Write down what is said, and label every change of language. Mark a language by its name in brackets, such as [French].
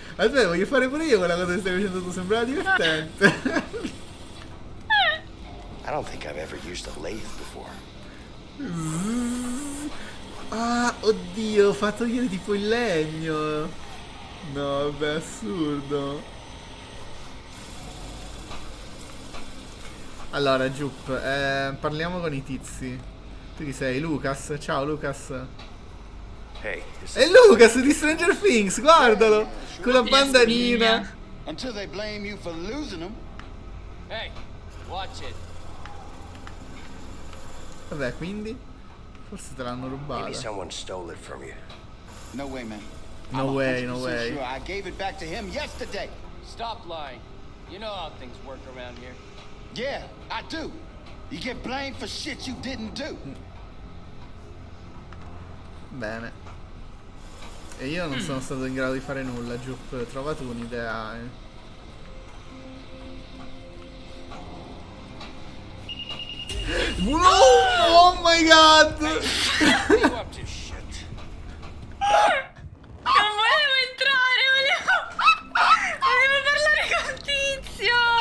[Italian] Aspetta, voglio fare pure io quella cosa che stai facendo tu. Sembrava divertente. [English] I don't think I've ever used a lathe before. [Italian] Ah, oddio, ho fatto ieri tipo il legno. No, vabbè, assurdo. Allora, Giup, parliamo con i tizi. Tu chi sei? Lucas? Ciao, Lucas. [English] Hey, [Italian] è Lucas di Stranger Things, guardalo! Con la bandanina. [English] Until they blame you for losing them. Hey, watch it. [Italian] Vabbè, quindi? Forse te l'hanno rubato. [English] Maybe someone stole it from you. No way, man. No way, no way. I gave it back to him yesterday. Stop lying. You know how things work around here. Yeah, I do. You get blamed for shit you didn't do. [Italian] Bene. E io non sono stato in grado di fare nulla, Giup. Trova tu un'idea, eh. [English] No! Oh my god! [Italian] Non volevo entrare, volevo parlare col tizio!